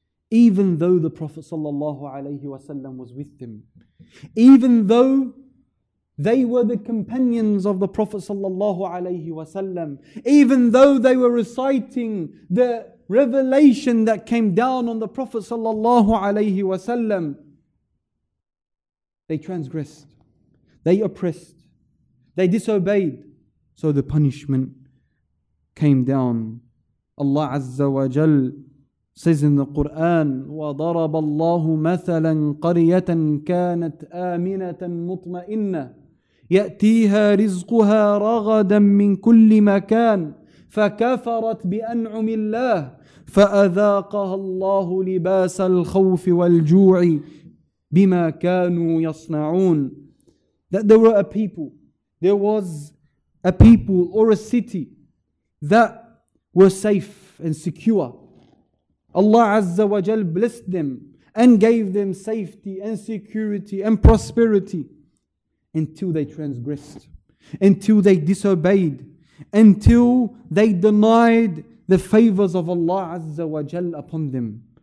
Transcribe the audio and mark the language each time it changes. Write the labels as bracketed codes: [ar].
[en] even though the Prophet sallallahu alaihi wasallam was with them, even though they were the companions of the Prophet sallallahu alaihi wasallam, even though they were reciting the revelation that came down on the Prophet sallallahu alaihi wasallam, they transgressed, they oppressed, they disobeyed, so the punishment came down. Allah azza wa jal says in the Quran, [ar] وَضَرَبَ اللَّهُ مَثَلًا قَرِيَةً كَانَتْ آمِنَةً مُطْمَئِنَّةً يأتيها رزقها رغدا من كل مكان فكفرت بأنعم الله فأذاقها الله لباس الخوف والجوع بما كانوا يصنعون. [en] That there were a people, there was a people or a city that were safe and secure. Allah Azza wa Jal blessed them and gave them safety and security and prosperity, until they transgressed, until they disobeyed, until they denied the favors of Allah Azza wa Jal upon them.